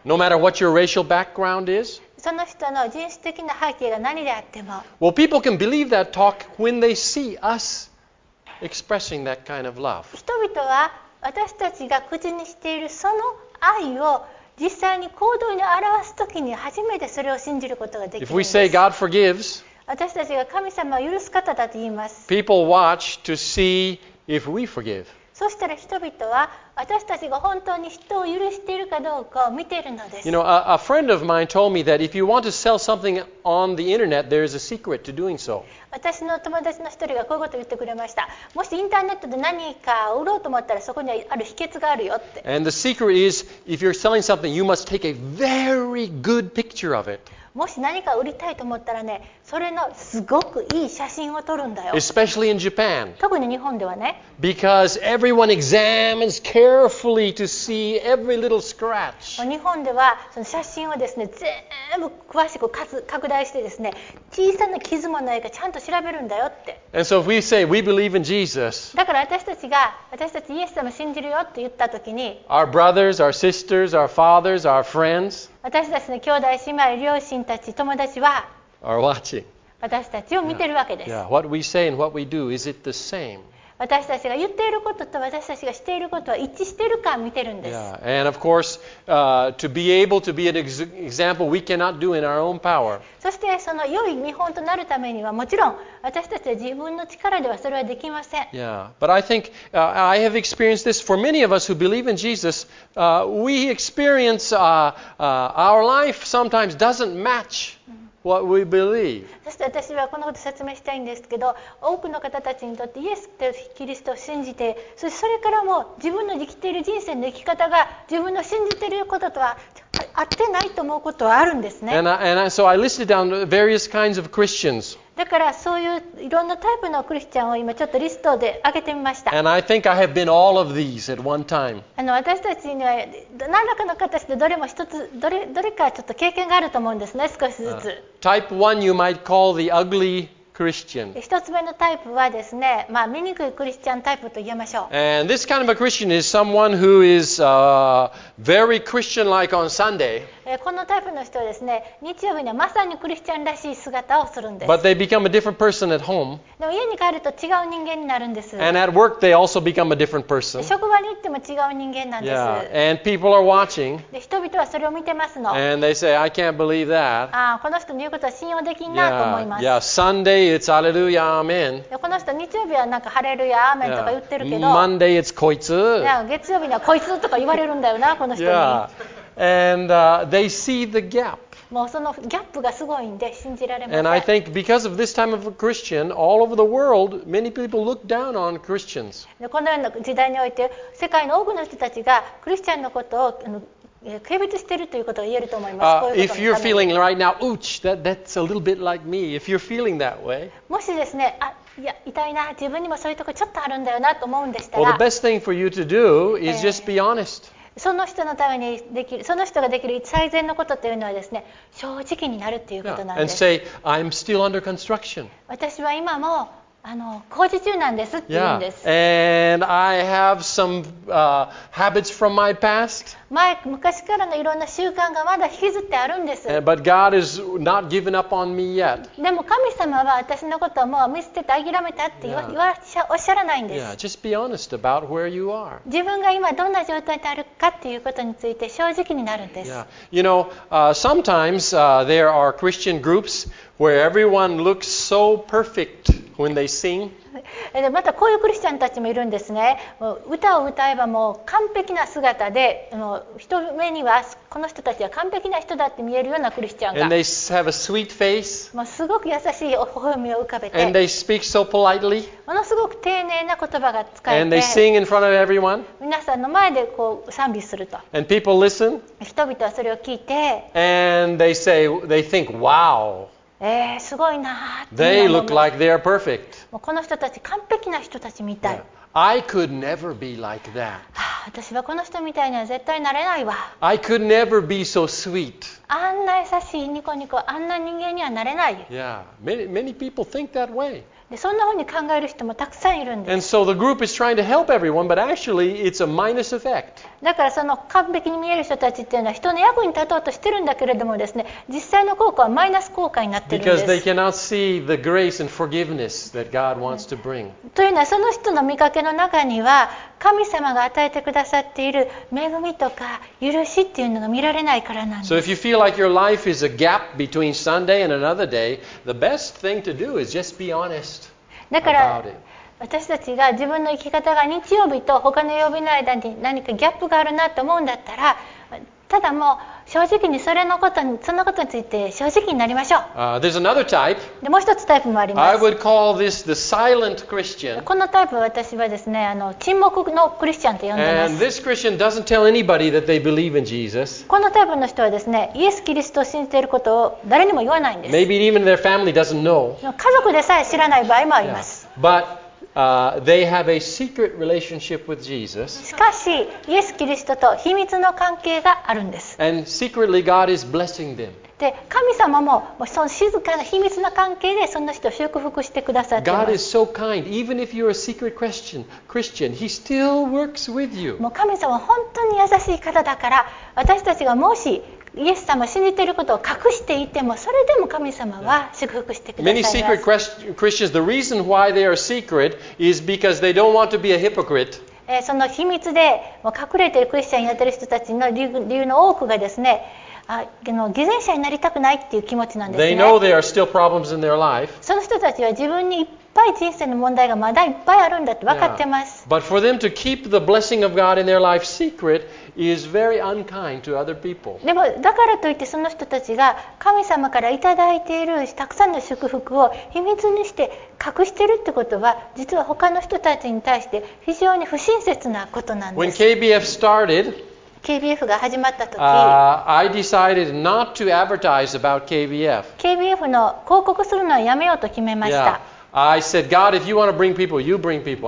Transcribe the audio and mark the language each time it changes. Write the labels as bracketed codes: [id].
[en] No matter what your racial background is, [ja] その人の人種的な背景が何であっても。 [en] Well, people can believe that talk when they see us expressing that kind of love. [ja] 人々は私たちが口にしているその愛を実際に行動に表すときに初めてそれを信じることができるんです。 [en] If we say God forgives, [ja] 私たちが神様を許す方だと言います。 [en] People watch to see if we forgive. [ja] そしたら人々は私たちが本当に人を許しているかどうかを見ているのです。 [en] You know, a friend of mine told me that if you want to sell something on the internet, there is a secret to doing so. [ja] 私の友達の一人がこういうことを言ってくれました。もしインターネットで何か売ろうと思ったらそこにはある秘訣があるよって。 [en] And the secret is, if you're selling something, you must take a very good picture of it. [ja] もし何か売りたいと思ったらね、それのすごくいい写真を撮るんだよ。 [en] Especially in Japan. [ja] 特に日本ではね。 [en] Because everyone examines carefully to see every little scratch. [ja] 日本ではその写真をですね、全部詳しく拡大してですね、小さな傷もないかちゃんと調べるんだよって。 [en] And so if we say we believe in Jesus. [ja] だから私たちが、私たちイエス様信じるよって言った時に、 [en] Our brothers, our sisters, our fathers, our friends. [ja] 私たちの兄弟姉妹両親たち友達は私たちを見てるわけです。 [en] Yeah. Yeah. What we say and what we do, is it the same? [ja] 私たちが言っていることと私たちがしていることは一致しているか見てるんです。 [en] Yeah. And of course, to be able to be an example, we cannot do in our own power. [ja] そしてその良い見本となるためにはもちろん私たちは自分の力ではそれはできません。 [en] Yeah. But I think I have experienced this for many of us who believe in Jesus. We experience our life sometimes doesn't match. What we believe. [ja] そして私はこのことを説明したいんですけど、多くの方たちにとってイエスとキリストを信じて、それからも自分の生きている人生の生き方が自分の信じていることとは合ってないと思うことはあるんですね。 [en] And so I listed down various kinds of Christians. [ja] だからそういういろんなタイプのクリスチャンを今ちょっとリストで挙げてみました。 [en] And I think I have been all of these at one time. [ja] 私たちには何らかの形でどれも一つどれかちょっと経験があると思うんですね、少しずつ。 [en] Type 1 you might call the ugly Christian. [ja] 一つ目のタイプはですね、まあ醜いクリスチャンタイプと言えましょう。 [en] And this kind of a Christian is someone who is very Christian-like on Sunday. [ja] このタイプの人はですね、日曜日にはまさにクリスチャンらしい姿をするんです。 [en] But they become a different person at home. [ja] でも家に帰ると違う人間になるんです。 [en] And at work they also become a different person. [ja] 職場に行っても違う人間なんです。 [en] Yeah. And people are watching. [ja] で人々はそれを見てますの。 [en] And they say, I can't believe that. [ja] あ、この人の言うことは信用できんなと思います。 [en] Yeah. Yeah. Sunday. It's hallelujah, amen. [ja] この人日曜日はなんかハレルヤアーメンとか言ってるけど、 [en] yeah. Monday it's [ja] こいつ。月曜日にはこいつとか言われるんだよな、この人に。 [en] Yeah. And they see the gap. [ja] もうそのギャップがすごいんで信じられません。 [en] And I think because of this time of a Christian, all over the world, many people look down on Christians. [ja] このような時代において、世界の多くの人たちがクリスチャンのことを軽蔑しているということが言えると思います。 [en] If you're feeling right now, ouch, that's a little bit like me. If you're feeling that way, [ja] もしですね、あ、いや、痛いな、自分にもそういうところちょっとあるんだよなと思うんでしたら、 [en] well, the best thing for you to do is just be honest. [ja] その人のためにできる、その人ができる最善のことというのはですね、正直になるということなんです。 [en] Yeah. And say, I'm still under construction. [ja] 私は今も工事中なんですって言うんです。 [en] Yeah. And I have some habits from my past. [ja] 前昔からのいろんな習慣がまだ引きずってあるんです。 [en] But God is not giving up on me yet. [ja] でも神様は私のことをもう見捨てて諦めたって言わ、 [en] yeah. [ja] 言わしゃおっしゃらないんです。 [en] Yeah. Just be honest about where you are. [ja] 自分が今どんな状態であるかっていうことについて正直になるんです。 [en] Yeah. You know, sometimes there are Christian groups where everyone looks so perfect. When they sing. [ja] でまたこういうクリスチャンたちもいるんですね。もう歌を歌えばもう完璧な姿で、もう人目にはこの人たちは完璧な人だって見えるようなクリスチャンが。 [en] And they have a sweet face. [ja] もうすごく優しい微笑みを浮かべて。 [en] And they speak so politely. [ja] ものすごく丁寧な言葉が使えて。 [en] And they sing in front of everyone. [ja] 皆さんの前でこう賛美すると。 [en] And people listen. [ja] 人々はそれを聞いて。 [en] And they say, they think, wow. [ja] すごいなって思う。もうこの人たち完璧な人たちみたい。 [en] Yeah. I could never be like that. [ja] 私はこの人みたいには絶対なれないわ。 [en] I could never be so sweet. [ja] あんな優しいニコニコ、あんな人間にはなれない。 [en] Yeah. Many people think that way. [ja] でそんなふうに考える人もたくさんいるんです。 [en] And so the group is trying to help everyone, but actually it's a minus effect. [ja] だからその完璧に見える人たちっていうのは人の役に立とうとしてるんだけれどもですね、実際の効果はマイナス効果になってるんです。 [en] Because they cannot see the grace and forgiveness that God wants to bring. [ja] というのはその人の見かけの中には神様が与えてくださっている恵みとか許しっていうのが見られないからなんです。 [en] So if you feel like your life is a gap between Sunday and another day, the best thing to do is just be honest. [ja] だから私たちが自分の生き方が日曜日と他の曜日の間に何かギャップがあるなと思うんだったら、ただもう正直にそれのことに、そのことについて正直になりましょう。 [en] There's another type. [ja] でもう一つタイプもあります。 [en] I would call this the silent Christian. [ja] このタイプは私はですね、沈黙のクリスチャンと呼んでいます。 [en] And this Christian doesn't tell anybody that they believe in Jesus. [ja] このタイプの人はですね、イエス・キリストを信じていることを誰にも言わないんです。 [en] Maybe even their family doesn't know. [ja] 家族でさえ知らない場合もあります。 [en] Yeah. Butthey have a secret relationship with Jesus. [ja] しかし、イエス・キリストと秘密の関係があるんです。 [en] And secretly God is blessing them. [ja] で、神様もその静かな秘密な関係でその人を祝福してくださっています。 [en] God is so kind. Even if you're a secret Christian, He still works with you. [ja] もう神様は本当に優しい方だから、私たちがもしイエス様信じていることを隠していてもそれでも神様は祝福してくださいます。 [en] Many secret Christians, the reason why they are secret is because they don't want to be a hypocrite. [ja] その秘密で隠れているクリスチャンになっている人たちの理由の多くがですね、偽善者になりたくないっていう気持ちなんですね。 [en] They know there are still problems in their life. [ja] その人たちは自分にいっぱい人生の問題がまだいっぱいあるんだって分かってます。 [en] But for them to keep the blessing of God in their life secret is very unkind to other people. [ja] でもだからといってその人たちが神様からいただいているたくさんの祝福を秘密にして隠してるってことは実は他の人たちに対して非常に不親切なことなんです。 [en] When KBF started [ja] KBF が始まったとき、 [en] I decided not to advertise about KBF. [ja] KBF の広告するのはやめようと決めました。 [en] Yeah. I said, God, if you want to bring people, you bring people.